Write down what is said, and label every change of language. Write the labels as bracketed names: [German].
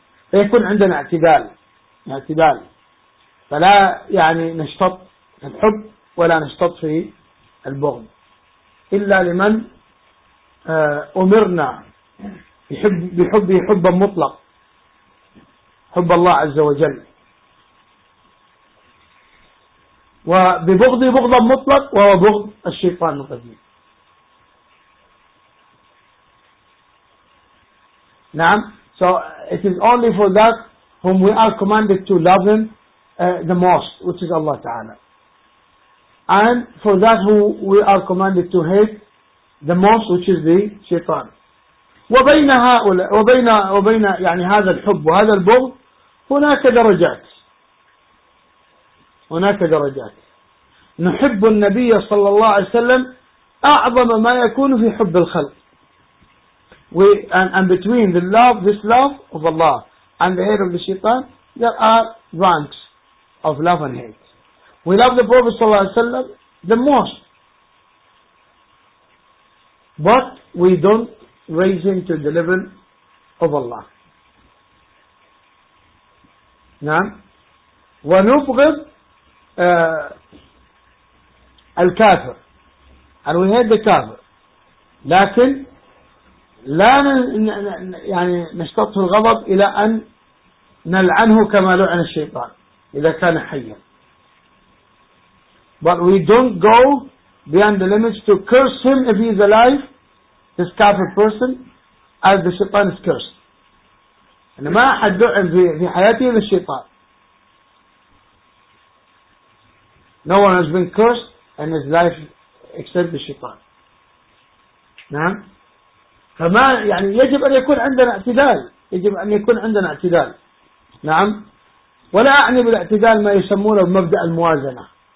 [Arabic] فيكون عندنا اعتدال, اعتدال, فلا يعني نشتط في الحب ولا نشتط في البغض إلا لمن أمرنا بحبه حبا مطلق, حب الله عز وجل, وببغضي بغضا مطلق وهو بغض الشيطان القديم. نعم. [English] So it is only for that whom we are commanded to love him the most, which is Allah Ta'ala, and for that who we are commanded to hate the most, which is the shaitan. [Arabic] وبين هؤلاء وبين يعني هذا الحب وهذا البغض هناك درجات, هناك درجات. نحب النبي صلى الله عليه وسلم أعظم ما يكون في حب الخلق. [English] And between the love, this love of Allah and the hate of the shaitan, there are ranks of love and hate. We love the Prophet [Arabic] صلى الله عليه وسلم [English] the most, but we don't raise him to the level of Allah. [Arabic] نعم. ونبغض الكافر, [English] and we hate the كافر, [Arabic] لكن لا يعني نشتطه الغضب إلى أن نلعنه كما لعن الشيطان إذا كان حيا. [English] But we don't go beyond the limits to curse him if he is alive, this kafir person, as the shaitan is cursed. [Arabic] أنا ما أحد لعن في حياتي إلا الشيطان. [English] No one has been cursed in his life except the shaitan. [Arabic] نعم. فما يعني يجب أن يكون عندنا اعتدال, يجب أن يكون عندنا اعتدال نعم، ولا أعني بالاعتدال ما يسمونه بمبدأ الموازنة.